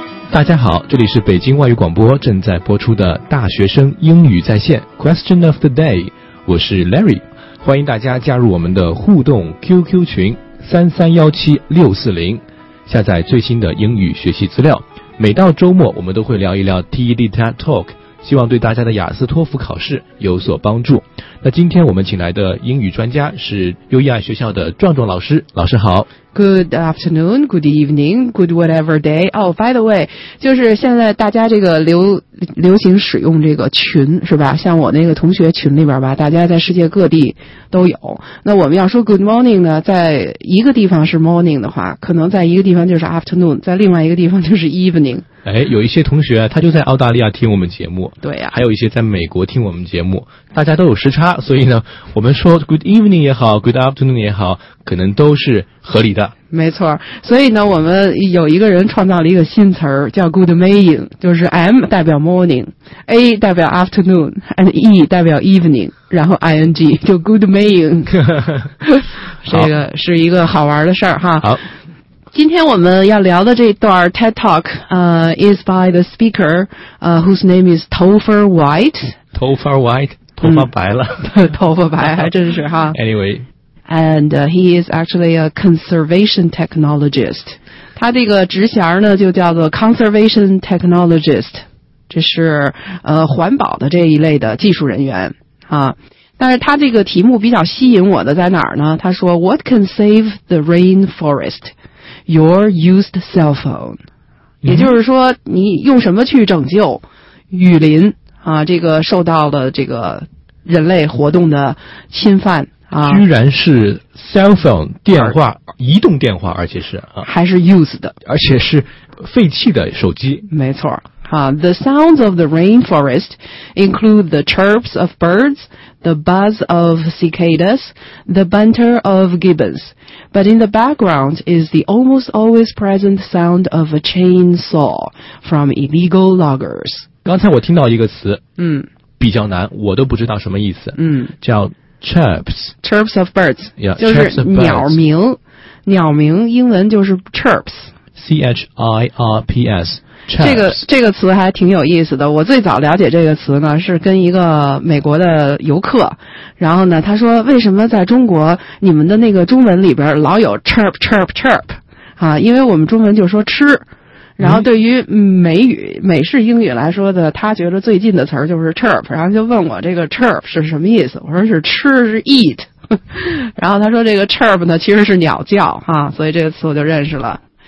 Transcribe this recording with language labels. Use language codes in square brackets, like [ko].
[zh] 大家好，这里是北京外语广播正在播出的大学生英语在线 Question of the day， 我是 Larry， 欢迎大家加入我们的互动 QQ 群3317640，下载最新的英语学习资料。每到周末我们都会聊一聊 TED TED Talk， 希望对大家的雅思托福考试有所帮助。那今天我们请来的英语专家是 UEI 学校的壮壮老师，老师好。 [en] Good afternoon, good evening, good whatever day. Oh, by the way, [zh] 就是现在大家这个流行使用这个群是吧？像我那个同学群里边吧，大家在世界各地都有。那我们要说 good morning 呢，在一个地方是 morning 的话，可能在一个地方就是 afternoon， 在另外一个地方就是 evening。哎，有一些同学他就在澳大利亚听我们节目，对呀、啊，还有一些在美国听我们节目，大家都有时差，所以呢，我们说 good evening 也好 ，good afternoon 也好，可能都是合理的。没错，所以呢，我们有一个人创造了一个新词儿，叫 good morning， 就是 M 代表 morning，A 代表 afternoon，and E 代表 evening， 然后 ing 就 good morning。这个是一个好玩的事儿哈。好。今天我们要聊的这段 [en] TED Talk is by the speaker whose name is Topher White. [zh] Topher White, 头发白了。头发白还真是哈。 [en] Anyway. And he is actually a conservation technologist. [zh] 他这个职衔呢就叫做 conservation technologist. 这是环保的这一类的技术人员。啊，但是他这个题目比较吸引我的在哪儿呢？他说 [en] What can save the rainforest? Your used cell phone， [zh] 也就是说你用什么去拯救雨林啊？这个受到了这个人类活动的侵犯啊，居然是 cell phone 电话，移动电话，而且是、啊、还是 used 的，而且是废弃的手机。没错啊。 [en] The sounds of the rainforest include the chirps of birds, the buzz of cicadas, the banter of gibbons. But in the background is the almost always present sound of a chainsaw from illegal loggers. [zh] 刚才我听到一个词，嗯，比较难，我都不知道什么意思。嗯，叫 chirps. [en] Chirps of birds. Yeah, [zh] 就是鸟鸣，鸟鸣英文就是 chirps. [en] C-H-I-R-P-S. [zh] 这个词还挺有意思的。我最早了解这个词呢是跟一个美国的游客，然后呢他说为什么在中国你们的那个中文里边老有 chirp chirp chirp 啊，因为我们中文就说吃，然后对于美语美式英语来说的，他觉得最近的词就是 chirp， 然后就问我这个 chirp 是什么意思，我说是吃，是 eat， 然后他说这个 chirp 呢其实是鸟叫啊，所以这个词我就认识了。